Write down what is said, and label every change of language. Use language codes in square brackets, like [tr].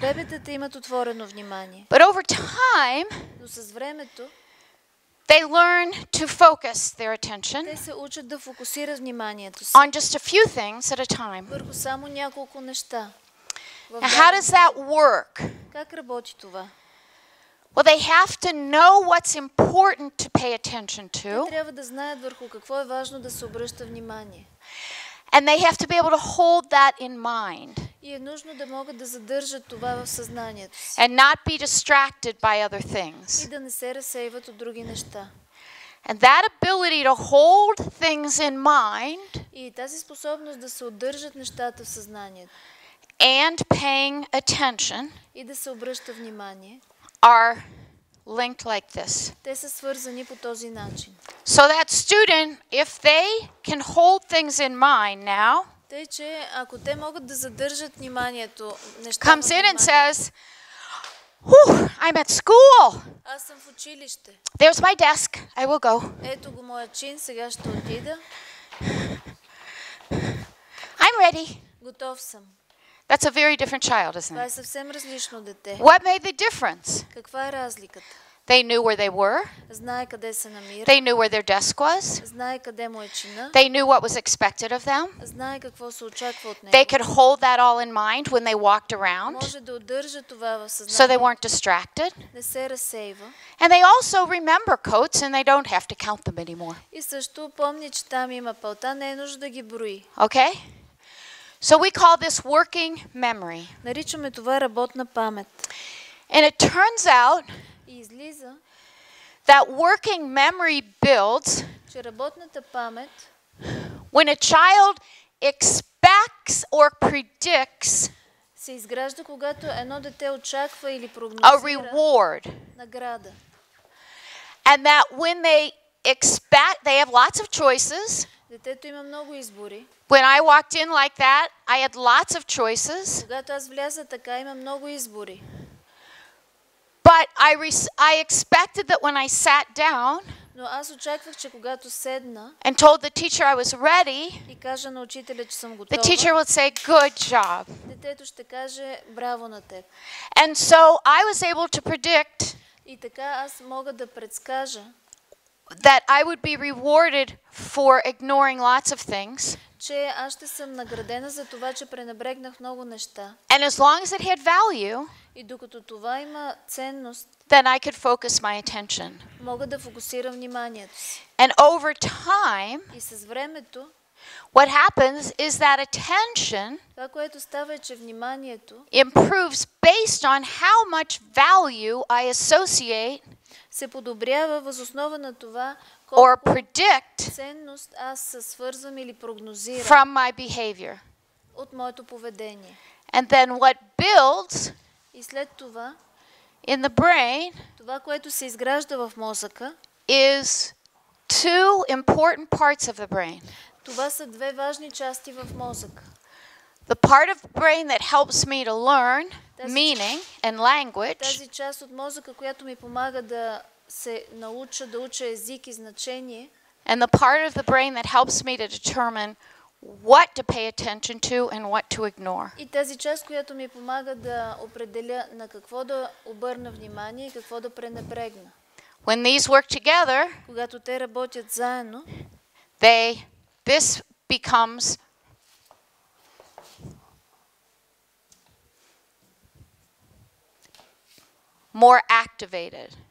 [bg] Бебетата имат отворено внимание. [en] But over time, [bg] но с времето, [en] they learn to focus their attention. [bg] Те се учат да фокусират вниманието си. [en] On just a few things at a time. [bg] Върху само няколко неща. [en] Now, how does that work? [bg] Как работи това? [en] Well, they have to know what's important to pay attention to. [bg] Трябва да знаят върху какво е важно да се обръща внимание. [en] And they have to be able to hold that in mind. [bg] И е нужно да могат да задържат това в съзнанието си. [en] And not be distracted by other things. [bg] И да не се разсейват от други неща. [en] And that ability to hold things in mind. [bg] И тази способност да се удържат нещата в съзнанието. [en] And paying attention. [bg] И да се обръща внимание. [en] Are linked like this. [bg] Те са свързани по този начин. [en] So that student, if they can hold things in mind now, [bg] тъй че ако те могат да задържат вниманието, [en] comes in and says, "Whew, I'm at school." [bg] Аз съм в училище. [en] There's my desk. I will go. [bg] Ето го моя чин, сега ще отида. [en] I'm ready. [bg] Готов съм. [en] That's a very different child, isn't it? [bg] Това е съвсем различно дете. [en] What made the difference? [bg] Каква е разликата? [en] They knew where they were. [bg] Знае къде се намира. [en] They knew where their desk was. [bg] Знае къде му е чина. [en] They knew what was expected of them. [bg] Знае какво се очаква от него. [en] They could hold that all in mind when they walked around. [bg] Може да удържа това в съзнанието. [en] So they weren't distracted. [bg] Не се разсейва. [en] And they also remember coats and they don't have to count them anymore. [bg] И също помни, че там има пълта, не е нужда да ги брои. [en] Okay? So we call this working memory. [bg] Наричаме това работна памет. [en] And it turns out that working memory builds [bg] че работната памет [en] when a child expects or predicts [bg] се изгражда когато едно дете очаква или прогнозира [en] a reward. [bg] Награда. [en] And that when they expect they have lots of choices. [bg] Детето има много избори. [en] When I walked in like that, I had lots of choices. [bg] Когато аз вляза така, има много избори. [en] But I expected that when I sat down, [bg] но аз очаквах, че когато седна, [en] and told the teacher I was ready, [bg] и кажа на учителя, че съм готова, [en] the teacher would say, good job. [bg] Детето ще каже, браво на теб. [en] And so I was able to predict, [bg] и така аз мога да предскажа, [en] that I would be rewarded for ignoring lots of things. [bg] Че аз ще съм наградена за това, че пренебрегнах много неща. [en] And as long as it had value, [bg] и докато това има ценност, [en] then I could focus my attention. [bg] Мога да фокусирам вниманието си. [en] And over time, [bg] и с времето, [en] what happens is that attention, [bg] това, което става, е, че вниманието, [en] improves based on how much value I associate, [bg] се подобрява въз основа на това, [en] or predict [bg] ценност аз се свързвам или прогнозирам [en] from my behavior [bg] от моето поведение. [en] And then what builds [bg] И след това [en] in the brain, [bg] това, което се изгражда в мозъка, [en] is two important parts of the brain. [bg] Това са две важни части в мозъка. [en] The part of the brain that helps me to learn meaning and language. [bg] Тази част от мозъка, която ми помага да се науча да уча език и значение. [en] And the part of the brain that helps me to determine what to pay attention to and what to ignore. [bg] И тази част, която ми помага да определя на какво да обърна внимание и какво да пренебрегна. [en] When these work together, [bg] когато те работят заедно, [en] this becomes more activated.